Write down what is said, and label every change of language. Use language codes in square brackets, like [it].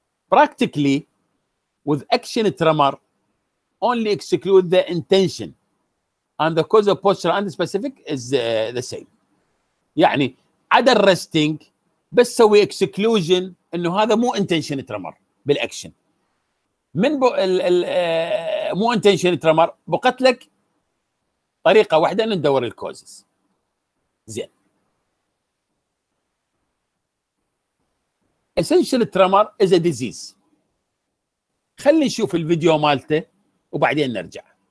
[en] Practically, with action tremor, only exclude the intention, and the cause of postural and specific is the same. [ar] يعني عدم resting بس سوي exclusion إنه هذا مو intention tremor بالaction. من بو ال مو intention tremor بقت لك طريقة واحدة ندور ال causes. زين. [en] Essential tremor is a disease. [ar] خلي نشوف الفيديو مالته وبعدين نرجع.